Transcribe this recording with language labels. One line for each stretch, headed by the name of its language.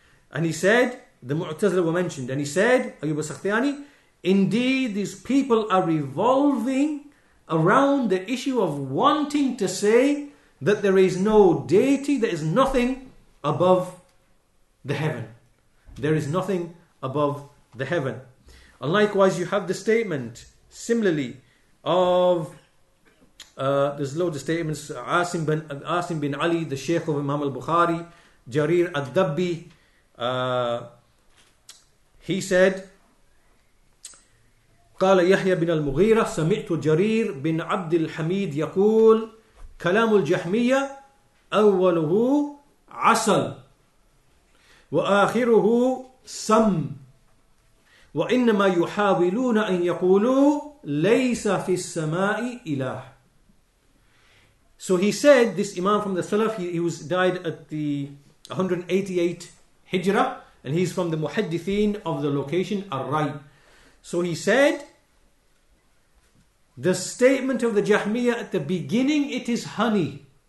English: And he said, the Mu'tazila were mentioned, and he said, Ayyub al-Sakhtiyani, indeed these people are revolving around the issue of wanting to say that there is no deity, there is nothing above the heaven. There is nothing above the heaven. And likewise, you have the statement, similarly, of there's loads of statements.
Arabic: Asim bin Ali, the Sheikh of Imam al-Bukhari, Jarir al-Dabbi,
English: he said,
Arabic: قال يحيى بن المغيرة سمعت جرير بن عبد الحميد يقول كلام الجحمية أوله عسل وآخره سم وإنما يحاولون أن يقولوا ليس في السماء إله.
English: So he said, this Imam from the Salaf, he was died at the 188 Hijrah, and he's from the Muhaddithin of the location Ar-Ray. So he said, the statement of the Jahmiyyah at the beginning, it is honey.